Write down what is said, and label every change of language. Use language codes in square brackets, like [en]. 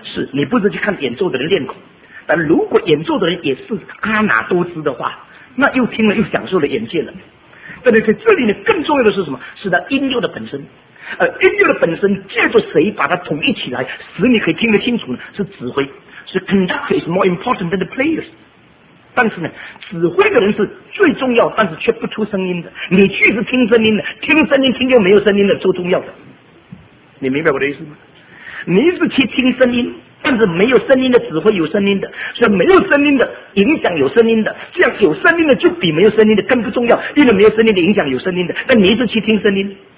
[zh] 是，你不是去看演奏的人练口。但如果演奏的人也是阿哪多姿的话，那又听了又享受了眼界了。但是在这里呢，更重要的是什么？是在音乐的本身，而音乐的本身借助谁把它统一起来使你可以听得清楚呢？是指挥，是 [en] conductor is more important than the players。 [zh] 但是呢，指挥的人是最重要但是却不出声音的，你去是听声音的，听声音听就没有声音的，最重要的。你明白我的意思吗？你是去听声音，但是没有声音的指挥有声音的，所以没有声音的影响有声音的，这样有声音的就比没有声音的更不重要，因为没有声音的影响有声音的，但你是去听声音。